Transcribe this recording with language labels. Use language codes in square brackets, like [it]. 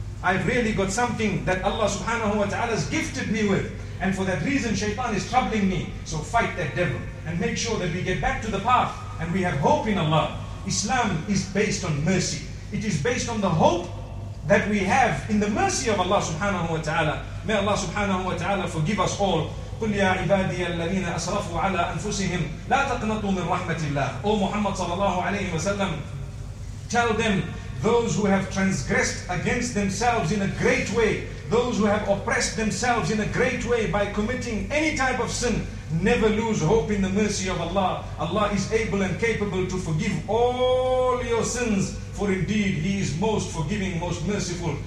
[en] I've really got something that Allah subhanahu wa ta'ala has gifted me with. And for that reason, shaytan is troubling me. So fight that devil and make sure that we get back to the path and we have hope in Allah. Islam is based on mercy. It is based on the hope that we have in the mercy of Allah subhanahu wa ta'ala. May Allah subhanahu wa ta'ala forgive us all. [ar] قل يا عبادي الذين أسرفوا على أنفسهم لا تقنطوا من رحمة الله. [en] O Muhammad sallallahu alayhi wa sallam, tell them, those who have transgressed against themselves in a great way, those who have oppressed themselves in a great way by committing any type of sin, never lose hope in the mercy of Allah. Allah is able and capable to forgive all your sins, for indeed He is most forgiving, most merciful.